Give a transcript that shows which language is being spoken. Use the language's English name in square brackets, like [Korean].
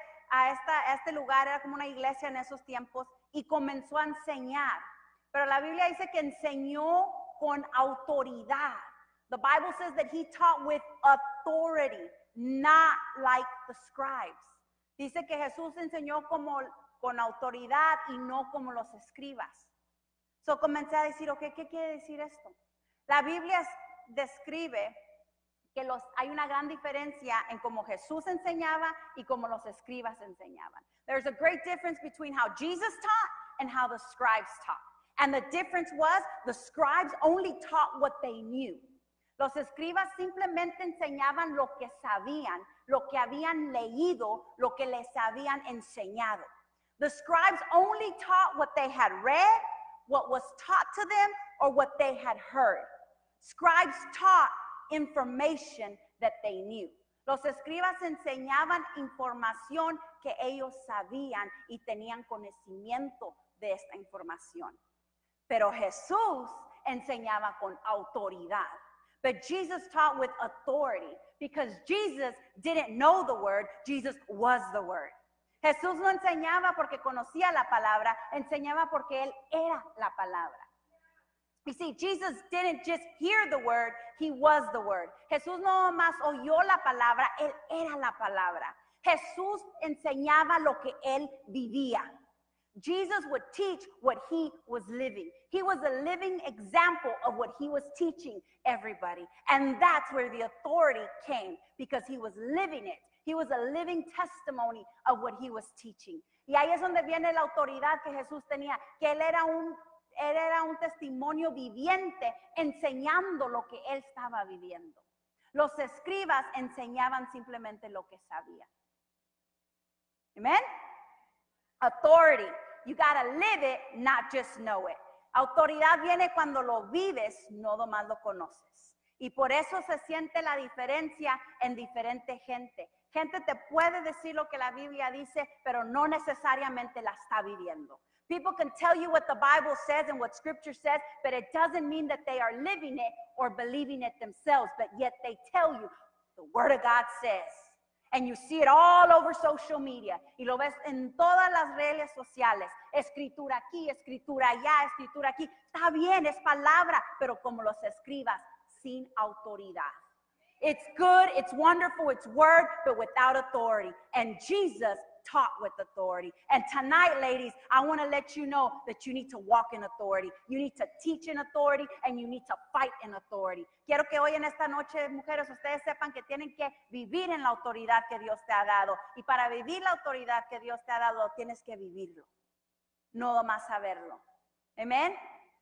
[Spanish] a este lugar, era como una iglesia en esos tiempos, y comenzó a enseñar. Pero la Biblia dice que enseñó con autoridad. [English] The Bible says that he taught with authority, not like the scribes. [Spanish] Dice que Jesús enseñó como con autoridad y no como los escribas. So comencé a decir, ok, ¿qué quiere decir esto? La Biblia describe que hay una gran diferencia en cómo Jesús enseñaba y cómo los escribas enseñaban. [English] There's a great difference between how Jesus taught and how the scribes taught. And the difference was the scribes only taught what they knew. [Spanish] Los escribas simplemente enseñaban lo que sabían, lo que habían leído, lo que les habían enseñado. [English] The scribes only taught what they had read, what was taught to them, or what they had heard. Scribes taught information that they knew. [Spanish] Los escribas enseñaban información que ellos sabían y tenían conocimiento de esta información. Pero Jesús enseñaba con autoridad. [English] But Jesus taught with authority because Jesus didn't know the word, Jesus was the word. [Spanish] Jesús no enseñaba porque conocía la palabra, enseñaba porque él era la palabra. [English] You see, Jesus didn't just hear the word, he was the word. [Spanish] Jesús no más oyó la palabra, él era la palabra. Jesús enseñaba lo que él vivía. [English] Jesus would teach what he was living. He was a living example of what he was teaching everybody. And that's where the authority came, because he was living it. He was a living testimony of what he was teaching. [Spanish] Y ahí es donde viene la autoridad que Jesús tenía, que él era un testimonio viviente enseñando lo que él estaba viviendo. Los escribas enseñaban simplemente lo que sabían. Amen? Authority. [English] You gotta live it, not just know it. [Spanish] Autoridad viene cuando lo vives, no nomás lo conoces. Y por eso se siente la diferencia en diferente gente. Gente te puede decir lo que la Biblia dice, pero no necesariamente la está viviendo. [English] People can tell you what the Bible says and what Scripture says, but it doesn't mean that they are living it or believing it themselves. But yet they tell you, the Word of God says. And you see it all over social media. [Spanish] Y lo ves en todas las redes sociales. Escritura aquí, escritura allá, escritura aquí. Está bien, es palabra, pero como los escribas, sin autoridad. [English] It's good, it's wonderful, it's word, but without authority. And Jesus taught with authority. And tonight, ladies, I want to let you know that you need to walk in authority. You need to teach in authority, and you need to fight in authority. [Spanish] Quiero que hoy en esta noche, mujeres, ustedes sepan que tienen que vivir en la autoridad que Dios te ha dado. Y para vivir la autoridad que Dios te ha dado, tienes que vivirlo. No más saberlo. Amen.